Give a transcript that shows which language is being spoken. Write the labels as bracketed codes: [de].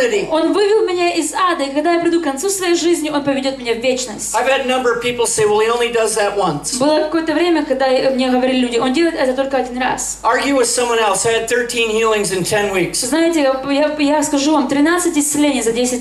[ru] Он вывел меня из ада, и когда я приду к концу своей жизни, Он поведет меня в вечность. [en] I've had a number of people say, well, he only does that once. [ru] Было какое-то время, когда мне говорили люди, Он делает это только один раз. [en] Argue with someone else. I had 13 healings in 10 weeks. [ru] Знаете, я скажу вам, 13 исцелений за 10